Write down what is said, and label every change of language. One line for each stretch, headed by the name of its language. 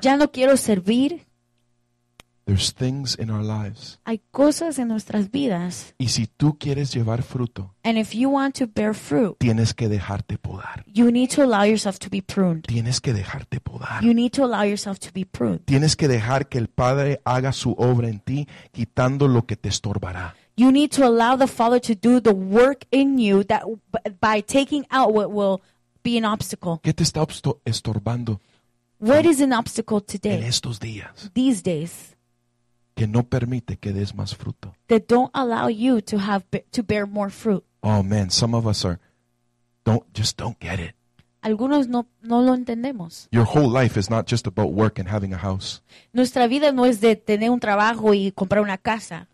Spanish: Ya no quiero servir.
English: There's things in our lives.
Spanish: Hay cosas en nuestras vidas. Y si tú quieres llevar fruto,
English: and if you want to bear fruit,
Spanish: tienes que dejarte podar.
English: You need to allow yourself to be pruned.
Spanish: Tienes que dejarte podar.
English: You need to allow yourself to be pruned.
Spanish: Tienes que dejar que el Padre haga su obra en ti, quitando lo que te estorbará.
English: You need to allow the Father to do the work in you that by taking out what will be an obstacle.
Spanish: ¿Qué te está estorbando?
English: What is an obstacle today?
Spanish: En estos días.
English: These days.
Spanish: Que no permite que des más fruto.
English: That don't allow you to have to bear more fruit. Oh man, some of us are just don't get it.
Spanish: Algunos no lo entendemos.
English: Your whole life is not just about work and having a house.
Spanish: Nuestra vida no es de tener un trabajo y comprar una casa.